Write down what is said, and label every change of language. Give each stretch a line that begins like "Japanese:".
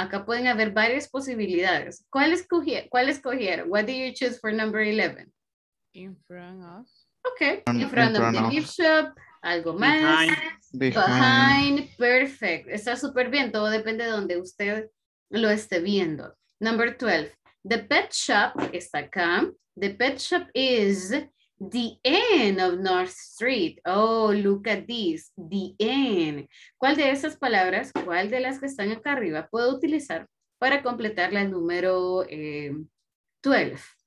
Spanish: Acá pueden haber varias posibilidades. ¿Cuál escogieron?
English: What did you choose for number 11? In front of. Okay. In front of the gift shop.
Spanish: Algo más.
English: Behind.
Spanish: Perfect. Está súper bien. Todo depende de donde usted lo esté viendo.
English: Number 12. The pet shop
Spanish: está acá.
English: The pet shop is the end of North Street. Oh, look at this. The end.
Spanish: ¿Cuál de esas palabras, cuál de las que están acá arriba, puedo utilizar para completar la número 12?